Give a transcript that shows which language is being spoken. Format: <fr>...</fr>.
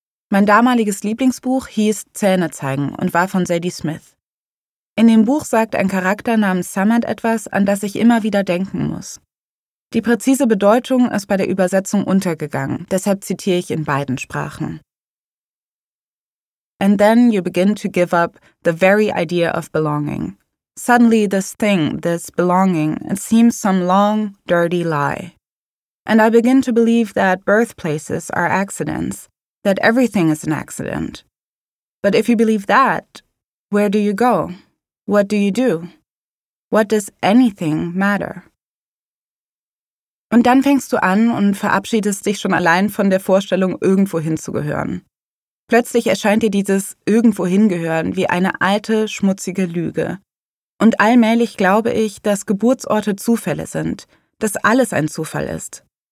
<de>Mein damaliges Lieblingsbuch hieß Zähne zeigen und war von Zadie Smith. In dem Buch sagt ein Charakter namens Samant etwas, an das ich immer wieder denken muss. Die präzise Bedeutung ist bei der Übersetzung untergegangen, deshalb zitiere ich in beiden Sprachen.</de> <en>And then you begin to give up the very idea of belonging. Suddenly this thing, this belonging, it seems some long, dirty lie. And I begin to believe that birthplaces are accidents, that everything is an accident. But if you believe that, where do you go? What do you do? What does anything matter?</en> <de>Und dann fängst du an und verabschiedest dich schon allein von der Vorstellung, irgendwo hinzugehören. Plötzlich erscheint dir dieses irgendwo hingehören wie eine alte, schmutzige Lüge. Und allmählich glaube ich, dass Geburtsorte Zufälle sind, dass alles ein Zufall ist.</de>